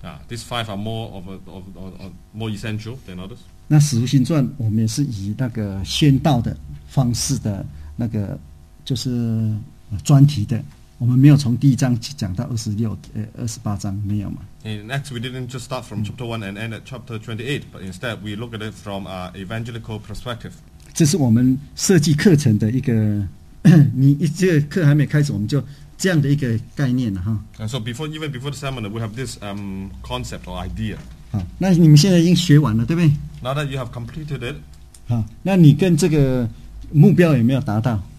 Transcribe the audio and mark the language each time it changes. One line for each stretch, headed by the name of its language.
English: These five are more of more essential than others.
Chinese: 那使徒行传我们也是以那个宣道的方式的那个就是专题的，我们没有从第一章讲到二十八章没有嘛。
English: In Acts, we didn't just start from chapter 1 and end at chapter 28, but instead we look at it from an evangelical perspective.
Chinese: 这是我们设计课程的一个。你这个课还没开始，我们就这样的一个概念了哈。
English: And so before, even before the seminar, we have this concept or idea.
Chinese: 那你们现在已经学完了，对不对
English: ？Now that you have completed it.
Chinese: 那你跟这个目标有没有达到？